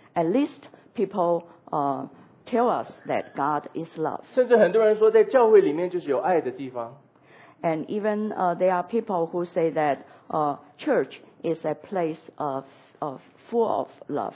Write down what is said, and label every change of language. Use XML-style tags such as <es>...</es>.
<en>At least people tell us that God is love.</en> <zh>甚至很多人说在教会里面就是有爱的地方。</zh> <en>And even there are people who say that church is a place full of love.</en>